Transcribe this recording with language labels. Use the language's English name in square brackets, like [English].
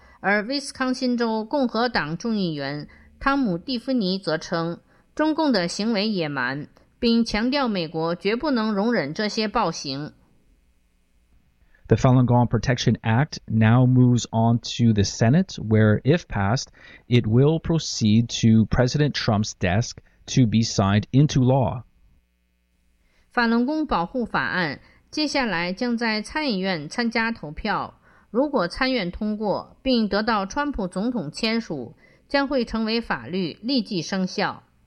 [Chinese] 而威斯康辛州共和党众议员汤姆·蒂芙尼则称，中共的行为野蛮，并强调美国绝不能容忍这些暴行。 [English] The Falun Gong Protection Act now moves on to the Senate, where, if passed, it will proceed to President Trump's desk to be signed into law. [Chinese] 法轮功保护法案接下来将在参议院参加投票。如果参院通过并得到川普总统签署，将会成为法律，立即生效。